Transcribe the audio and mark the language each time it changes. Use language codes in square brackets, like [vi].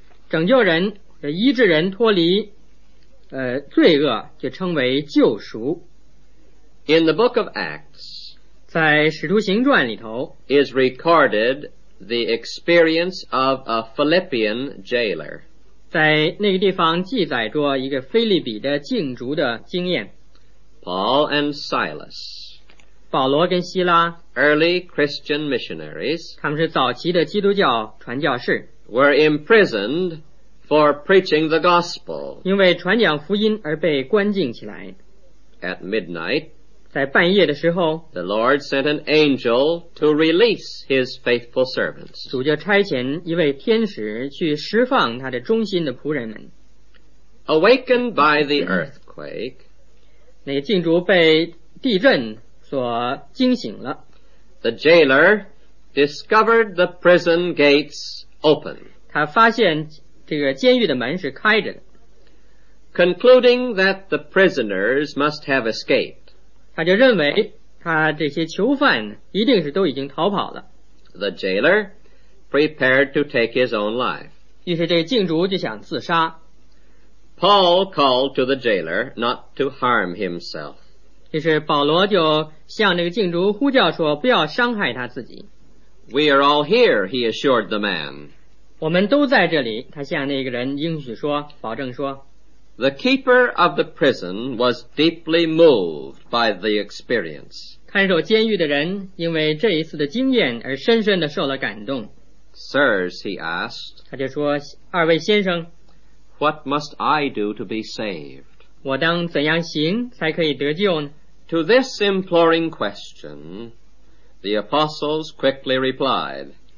[zh] 拯救人医治人脱离罪恶就称为救赎。 [en] In the book of Acts, [zh] 在使徒行传里头 [en] is recorded the experience of a Philippian jailer. [zh] 在那个地方记载着一个腓立比的禁足的经验。 [en] Paul and Silas, [zh] 保罗跟希拉 [en] early Christian missionaries, [zh] 他们是早期的基督教传教士 [en] were imprisoned for preaching the gospel, [zh] 因为传讲福音而被关禁起来。 [en] At midnight, [zh] 在半夜的时候 [en] the Lord sent an angel to release his faithful servants. [zh] 主就差遣一位天使去释放他的忠心的仆人们。 [en] Awakened by the earthquake, [zh] 那个禁主被地震所惊醒了。 [en] The jailer discovered the prison gates open. [zh] 他发现这个监狱的门是开着的。 [en] Concluding that the prisoners must have escaped. [zh] 他就认为他这些囚犯一定是都已经逃跑了。 [en] The jailer prepared to take his own life. [zh] 于是这禁主就想自杀。 [en] Paul called to the jailer not to harm himself. [zh] 于是保罗就向这个禁主呼叫说不要伤害他自己。 [en] We are all here, he assured the man. [zh] 我们都在这里，他向那个人应许说，保证说。 [en] The keeper of the prison was deeply moved by the experience. [zh] 看守监狱的人因为这一次的经验而深深地受了感动。 [en] Sirs, he asked, [zh] 他就说二位先生 [en] What must I do to be saved? [zh] 我当怎样行才可以得救呢? [en] To this imploring question, the apostles quickly replied,